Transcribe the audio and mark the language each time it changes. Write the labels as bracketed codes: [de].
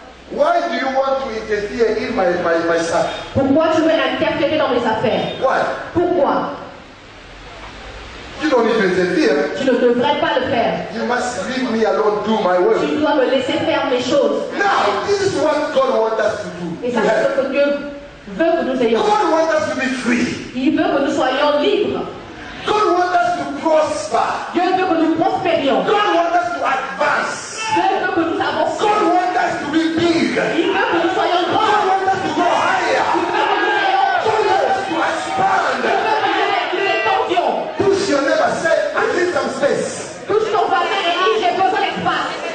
[en] Why do you want to interfere in my stuff? [fr] Pourquoi tu veux interférer dans mes affaires? [en] Why? [fr] Pourquoi? [en] You don't need to interfere. [fr] Tu ne devrais pas le faire. [en] You must leave me alone, do my work. [fr] Tu dois me laisser faire mes choses. [en] Now, this is what God wants us to do. [fr] Et ça, c'est ce que Dieu veut que nous ayons. [en] God wants us to be free. [fr] Il veut que nous soyons libres. [en] God wants us to prosper. [fr] Dieu veut que nous prospérions. [en] God wants us to advance. [fr] Dieu veut que nous avancions. [en] God wants us to be big. [fr] Il veut que nous soyons grands. [en] God wants us to go higher. [fr] Il veut que nous soyons plus. [en] God wants us to expand. [fr] Il veut que nous étendions. [en] Push your neighbor, say, I need some space. [fr] Touche ton voisin et dis, j'ai besoin d'espace.